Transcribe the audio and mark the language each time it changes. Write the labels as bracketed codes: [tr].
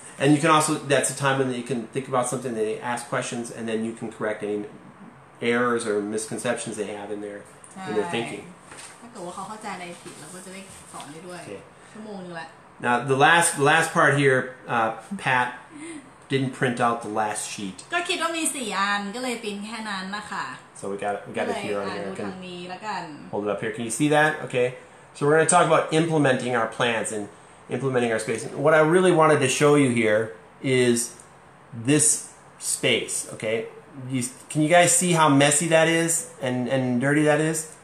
[en] And you can also, that's a time when you can think about something, they ask questions, and then you can correct any errors or misconceptions they have in their thinking. Okay. Now, the last part here, Pat didn't print out the last sheet. [th] ก็คิดว่ามี4อันก็เลยพิมพ์แค่นั้นนะคะ [en] So we got it here on here. [th] ดูทางนี้ละกัน [en] Hold it up here. Can you see that? Okay. So we're going to talk about implementing our plans and implementing our space. What I really wanted to show you here is this space. Okay. Can you guys see how messy that is and dirty that is?